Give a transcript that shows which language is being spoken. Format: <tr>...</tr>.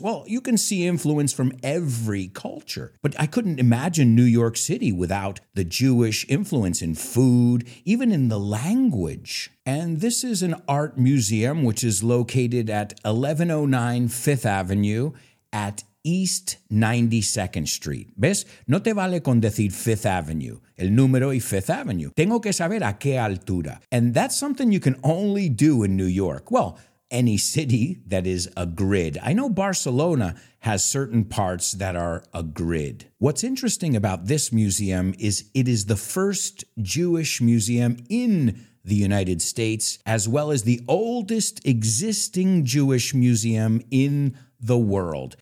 <en>Well, you can see influence from every culture, but I couldn't imagine New York City without the Jewish influence in food, even in the language. And this is an art museum, which is located at 1109 Fifth Avenue at East 92nd Street.</en> <es>¿Ves? No te vale con decir Fifth Avenue, el número y Fifth Avenue. Tengo que saber a qué altura.</es> <en>And that's something you can only do in New York. Well, any city that is a grid. I know Barcelona has certain parts that are a grid. What's interesting about this museum is it is the first Jewish museum in the United States, as well as the oldest existing Jewish museum in the world.</en>